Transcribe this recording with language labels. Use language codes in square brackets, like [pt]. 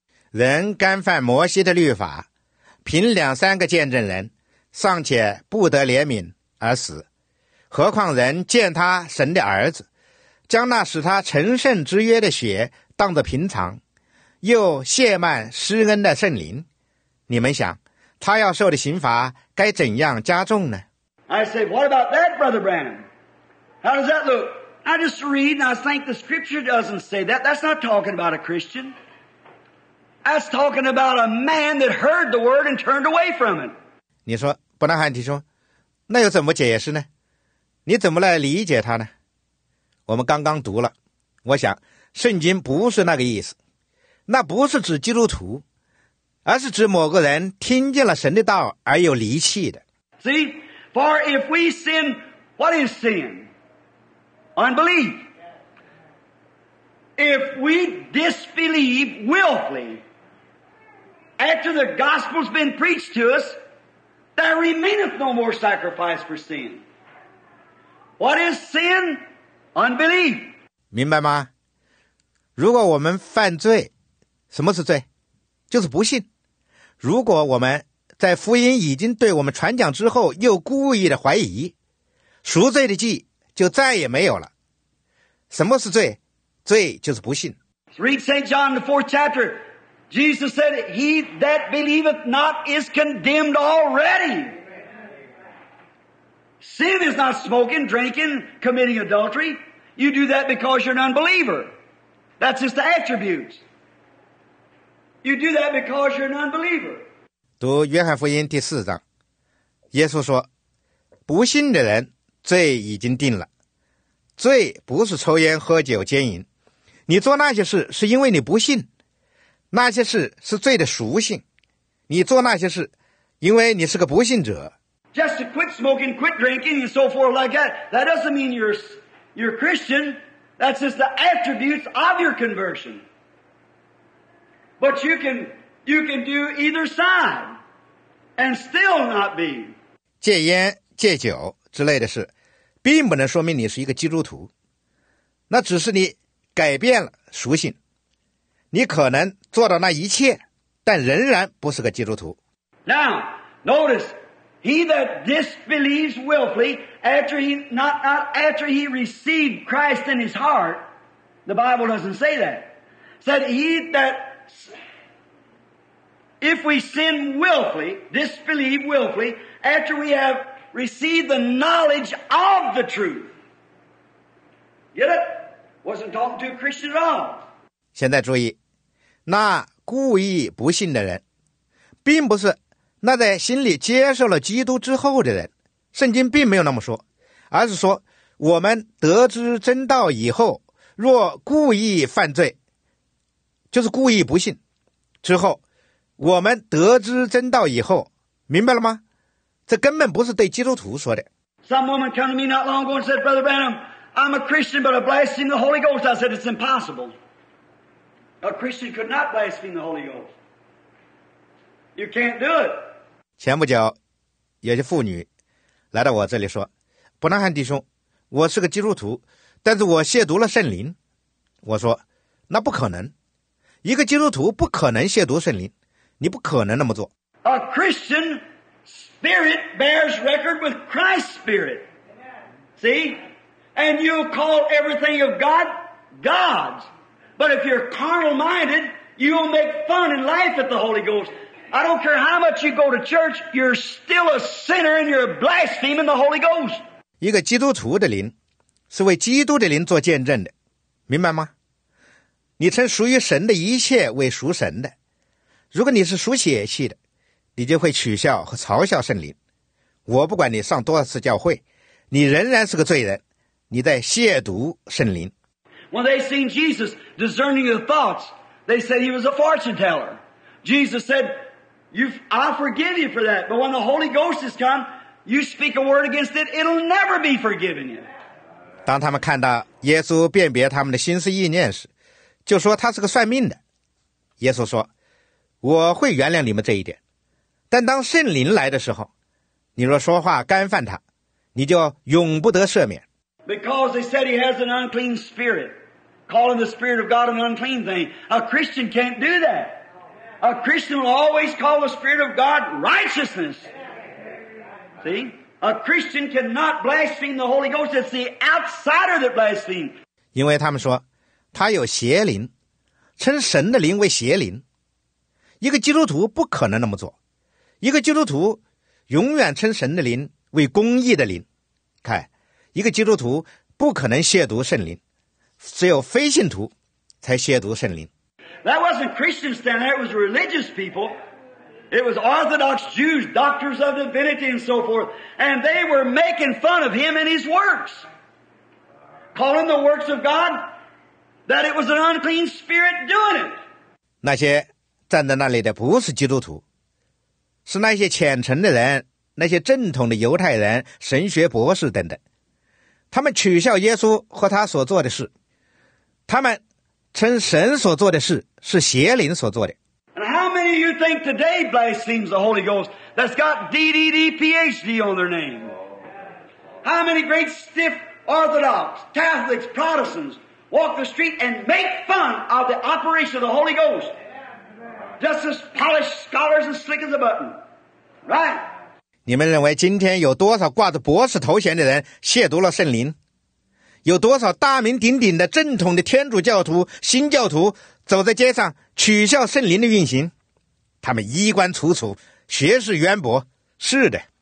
[zh] 人干犯摩西的律法，凭两三个见证人，尚且不得怜悯而死，何况人见他神的儿子，将那使他成圣之约的血当作平常，又亵慢施恩的圣灵，你们想，他要受的刑罚该怎样加重呢？ [en] I say, what about that, Brother Branham? How does that look? I just read and I think the scripture doesn't say that. That's not talking about a Christian. That's talking about a man that heard the word and turned away from it. [zh] 你说，伯纳汉提兄，那又怎么解释呢？你怎么来理解他呢？我们刚刚读了，我想圣经不是那个意思，那不是指基督徒，而是指某个人听见了神的道而有离弃的。 [en] See, for if we sin, what is sin? Unbelief. If we disbelieve willfully, After the gospel's been preached to us, there remaineth no more sacrifice for sin. What is sin? Unbelief. [zh] 明白吗？如果我们犯罪，什么是罪？就是不信。如果我们在福音已经对我们传讲之后又故意的怀疑，赎罪的祭就再也没有了。什么是罪？罪就是不信。 [en] Read St. John the fourth chapter. Jesus said, He that believeth not is condemned already. Sin is not smoking, drinking, committing adultery. You do that because you're an unbeliever. That's just the attributes. You do that because you're an unbeliever. [zh] 读约翰福音第四章，耶稣说，不信的人罪已经定了。罪不是抽烟喝酒奸淫，你做那些事是因为你不信，那些事是罪的属性。你做那些事，因为你是个不信者。 [en] Just to quit smoking, quit drinking, and so forth like that, that doesn't mean you're Christian. That's just the attributes of your conversion. But you can do either side and still not be. [zh] 戒烟、戒酒之类的事，并不能说明你是一个基督徒，那只是你改变了属性，你可能做到那一切，但仍然不是个基督徒。 [en] Now, notice, he that disbelieves willfully, after he, not after he received Christ in his heart, the Bible doesn't say that. Said he that, if we sin willfully, disbelieve willfully, after we have received the knowledge of the truth. Get it? Wasn't talking to a Christian at all. [zh] 现在注意，那故意不信的人，并不是那在心里接受了基督之后的人。圣经并没有那么说，而是说我们得知真道以后，若故意犯罪，就是故意不信。之后，我们得知真道以后，明白了吗？这根本不是对基督徒说的。 [en] Some woman came to me not long ago and said, Brother Branham. I'm a Christian, but I blaspheme the Holy Ghost. I said, it's impossible. A Christian could not blaspheme the Holy Ghost. You can't do it. [zh] 前不久，有些妇女来到我这里说，伯南汉弟兄，我是个基督徒，但是我亵渎了圣灵。我说，那不可能。一个基督徒不可能亵渎圣灵，你不可能那么做。 [en] A Christian spirit bears record with Christ's spirit. See? And you call everything of God, God's. But if you're carnal-minded, you'll make fun and laugh at the Holy Ghost. I don't care how much you go to church, you're still a sinner and you're blaspheming the Holy Ghost. [zh] 一个基督徒的灵是为基督的灵做见证的，明白吗？你称属于神的一切为属神的。如果你是属血气的，你就会取笑和嘲笑圣灵。我不管你上多少次教会，你仍然是个罪人。你在亵渎圣灵。 [en] When they seen Jesus discerning your thoughts, they said he was a fortune teller. Jesus said, I forgive you for that, but when the Holy Ghost has come, you speak a word against it, it'll never be forgiven you. [zh] 当他们看到耶稣辨别他们的心思意念时，就说他是个算命的。耶稣说，我会原谅你们这一点，但当圣灵来的时候，你若说话干犯他，你就永不得赦免。 [en] Because they said he has an unclean spirit. Calling the spirit of God an unclean thing. A Christian can't do that. A Christian will always call the spirit of God righteousness. See? A Christian cannot blaspheme the Holy Ghost. It's the outsider that blasphemes. [zh] 因为他们说他有邪灵，称神的灵为邪灵。一个基督徒不可能那么做。一个基督徒永远称神的灵为公义的灵。看。一个基督徒不可能亵渎圣灵，只有非信徒才亵渎圣灵。 [en] That wasn't Christians standing there, it was religious people. It was Orthodox Jews, doctors of divinity and so forth. And they were making fun of him and his works. Calling the works of God that it was an unclean spirit doing it. [zh] 那些站在那里的不是基督徒，是那些虔诚的人，那些正统的犹太人、神学博士等等。他们取笑耶稣和他所做的事，他们称神所做的事是邪灵所做的。 [en] And how many of you think today blasphemes the Holy Ghost that's got DDD PhD on their name? How many great stiff Orthodox, Catholics, Protestants walk the street and make fun of the operation of the Holy Ghost? Just as polished scholars and slick as a button. Right? [zh] 你们认为今天有多少挂着博士头衔的人亵渎了圣灵？有多少大名鼎鼎的正统的天主教徒、新教徒走在街上取笑圣灵的运行？他们衣冠楚楚，学识渊博，是的。